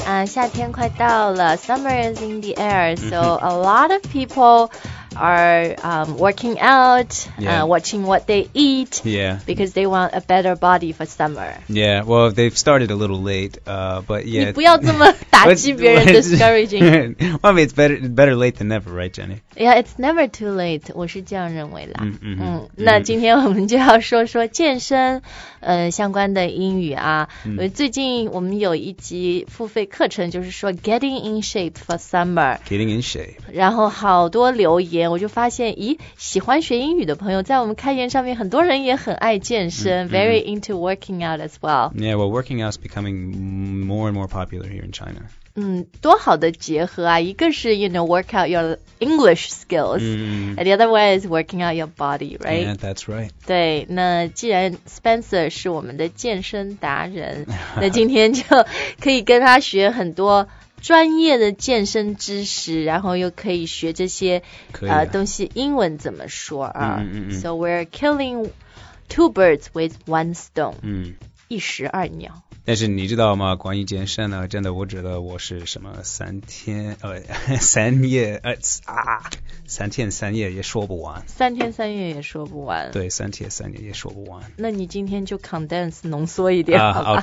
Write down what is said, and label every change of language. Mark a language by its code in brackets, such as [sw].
[zh] 夏天快到了 [en] ,summer is in the air, so a lot of people are working out, watching what they eat, because they want a better body for summer. Yeah, well, they've started a little late, but yeah. [zh] 你不要这么打击别人 discouraging. [en] Well, I mean, it's better late than never, right, Jenny? Yeah, it's never too late, [zh] 我是这样认为啦。那今天我们就要说说健身相关的英语啊。最近我们有一集付费课程就是说 [en] getting in shape for summer. Getting in shape. [zh] 然后好多留言。我就发现咦喜欢学英语的朋友在我们开言上面很多人也很爱健身、 [en] very into working out as well. Yeah, well, working out is becoming more and more popular here in China. [zh] 多好的结合啊，一个是 [en] you know, work out your English skills, and the other way is working out your body, right? Yeah, that's right. [zh] 对，那既然 Spencer 是我们的健身达人，那今天就可以跟他学很多专业的健身知识，然后又可以学这些东西英文怎么说啊。 [en] So we're killing two birds with one stone. [zh] 一石二鸟。但是你知道吗，关于健身呢，真的我觉得我是什么三天三夜也说不完。三天三夜也说不完。对，三天三夜也说不完。那你今天就 condense 浓缩一点好吧。